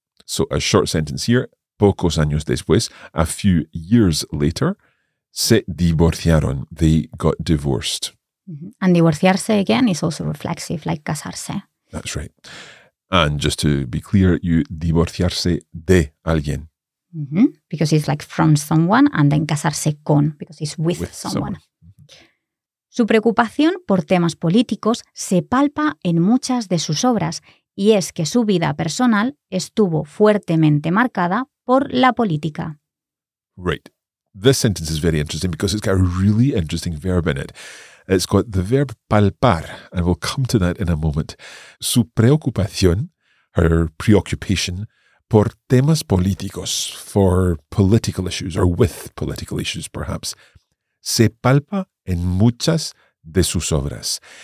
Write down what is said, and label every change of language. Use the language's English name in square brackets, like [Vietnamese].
[English] So a short sentence here, [Spanish] pocos años después, [English] a few years later, [Spanish] se divorciaron, [English] they got divorced. And divorciarse again is also reflexive, like casarse. That's right. And just to be clear, you [Spanish] divorciarse de alguien. Mm-hmm. [English] Because it's like from someone, and then casarse con, because it's with someone. [Spanish] Su preocupación por temas políticos se palpa en muchas de sus obras, y es que su vida personal estuvo fuertemente marcada por la política. [English] Right. This sentence is very interesting because it's got a really interesting verb in it. It's got the verb palpar, and we'll come to that in a moment. [Spanish] Su preocupación, [English] her preoccupation, [Spanish] por temas políticos, [English] for political issues, or with political issues, perhaps, [Spanish] se palpa en muchas de sus obras.